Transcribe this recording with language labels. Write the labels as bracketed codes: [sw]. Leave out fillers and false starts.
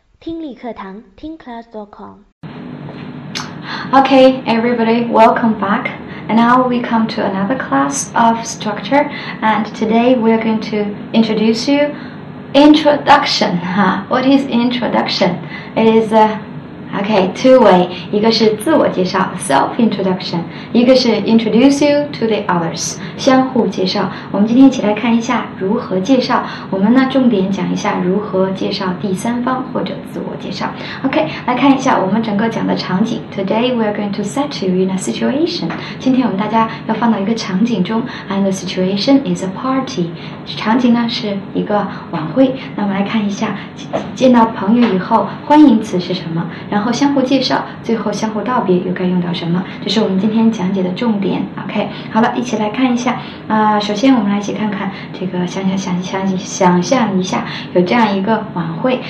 [zh] 听力课堂，听 class.com。 [en] Okay, everybody, welcome back. And now we come to another class of structure. And today we're going to introduce you introduction. What is introduction? It is a, okay, two-way. [zh] 一个是自我介绍 self-introduction. 一个是 [en] introduce you to the others. [zh] 相互介绍。我们今天一起来看一下如何介绍。我们呢重点讲一下如何介绍第三方或者自我介绍。 Okay, 来看一下我们整个讲的场景。 [en] Today we are going to set you in a situation. [zh] 今天我们大家要放到一个场景中。 [en] And the situation is a party. [zh] 场景呢是一个晚会。那我们来看一下见到朋友以后欢迎词是什么。然后相互介绍，最后相互道别又该用到什么，这是我们今天讲解的重点。 OK， 好了，一起来看一下。首先我们来一起看看这个，想象一下有这样一个晚会。